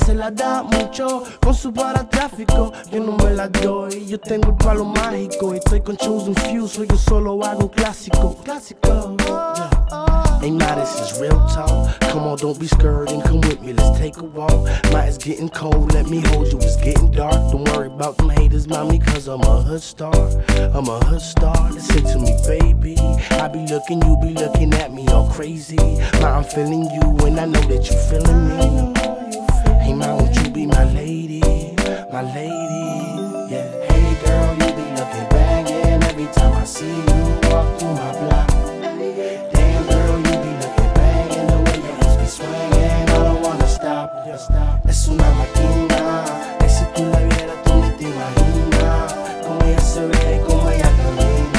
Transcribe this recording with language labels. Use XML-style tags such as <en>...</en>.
<es>Da mucho con su para tráfico, yo no me la doy, yo tengo el palo mágico, estoy con Chosen Few, soy yo solo hago clásico, clásico.</es> <en>Hey, my, this is real talk. Come on, don't be scared and come with me, let's take a walk. My, it's getting cold, let me hold you, it's getting dark. Don't worry about them haters, mommy, cause I'm a hood star. I'm a hood star, listen to me, baby. I be looking, you be looking at me all crazy. My, I'm feeling you and I know that you feeling me. Hey, ma, won't you be my lady, yeah. Hey, girl, you be looking banging every time I see you walk through my block. Damn, girl, you be looking banging the way your hips be swinging. I don't wanna stop, just stop.</en> <es>Es una máquina, es si tú la vieras, tú ni te imaginas cómo ella se ve.</es>